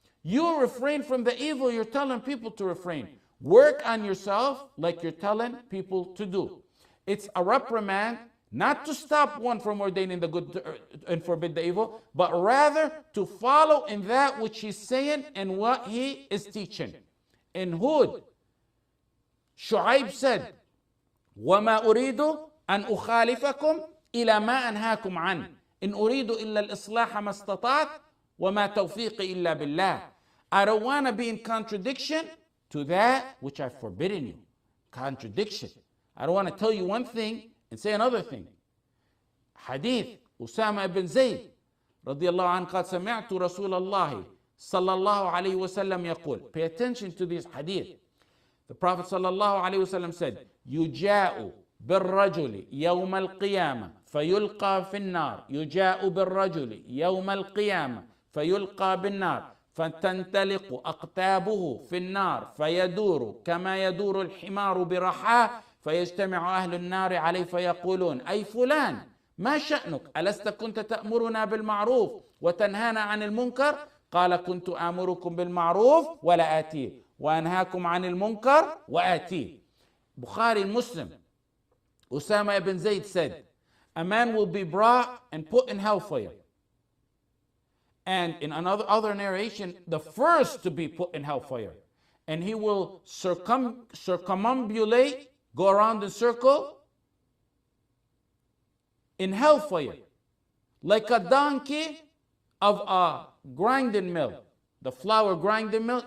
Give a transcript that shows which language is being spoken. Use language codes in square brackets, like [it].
[en] You refrain from the evil you're telling people to refrain. Work on yourself like you're telling people to do. It's a reprimand. Not to stop one from ordaining the good and forbid the evil, but rather to follow in that which he's saying and what he is teaching. In Hud, Shu'aib said, [ar] وَمَا أُرِيدُ أَنْ أُخَالِفَكُمْ إِلَىٰ مَا أَنْهَاكُمْ عَنْ إِنْ أُرِيدُ إِلَّا الْإِصْلَاحَ مَا اسْتَطَعْتُ وَمَا تَوْفِيقِ إِلَّا بِاللَّهِ. [en] I don't want to be in contradiction to that which I've forbidden you. Contradiction. I don't want to tell you one thing and say another thing. Hadith, Usama ibn Zayd, radiallahu anhu, [ar] قَدْ سَمِعْتُ رَسُولَ اللَّهِ صَلَّى اللَّهُ عَلَيْهِ وَسَلَّمْ يَقُولُ. [en] Pay attention to this hadith. The Prophet sallallahu alayhi wa sallam said, [ar] يُجَاءُ بِالرَّجُلِ يَوْمَ الْقِيَامَةِ فَيُلْقَى فِي النَّارِ يُجَاءُ بِالرَّجُلِ يَوْمَ الْقِيَامَةِ فَيُلْقَى بِالنَّارِ فَتَنْتَلِقُ أَقْتَابُهُ فِي النَّارِ فَيَدُورُ كَمَا يَدُورُ الْحِمَارُ بِرَحَاهُ فيجتمع أهل النار عليه فيقولون أي فلان ما شأنك ألست كنت تأمرنا بالمعروف وتنهانا عن المنكر قال كنت آمركم بالمعروف ولا آتيه وأنهاكم عن المنكر وآتيه. [en] بخاري المسلم أسامة بن زيد said a man will be brought and put in hellfire, and in another other narration the first to be put in hellfire, and he will circumambulate, go around the circle in hellfire, like a donkey of a grinding mill, the flour grinding mill.